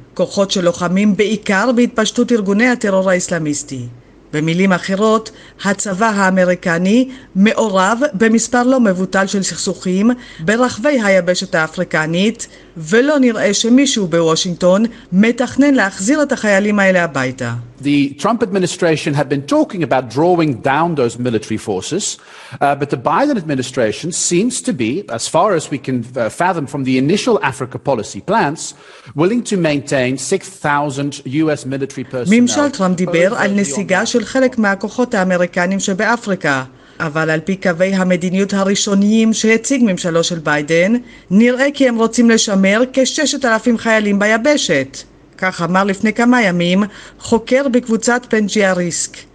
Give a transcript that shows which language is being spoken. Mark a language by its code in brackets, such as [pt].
[he] כוחות שלוחמים בעיקר בהתפשטות ארגוני הטרור האסלאמיסטי. במילים אחרות, הצבא האמריקני מעורב במספר לא מבוטל של סכסוכים ברחבי היבשת האפריקנית, ולא נראה שמישהו בוושינגטון מתכנן להחזיר את החיילים האלה הביתה. [en] The Trump administration had been talking about drawing down those military forces, but the Biden administration seems to be, as far as we can fathom from the initial Africa policy plans, willing to maintain 6,000 US military personnel. [he] ממשל טראמפ דיבר על נסיגה של חלק מהכוחות האמריקנים שבאפריקה. אבל על פי קווי המדיניות הראשוניים שהציג ממשלו של ביידן, נראה כי הם רוצים לשמר כ-6,000 חיילים ביבשת. כך אמר לפני כמה ימים חוקר בקבוצת פנג'יה ריסק.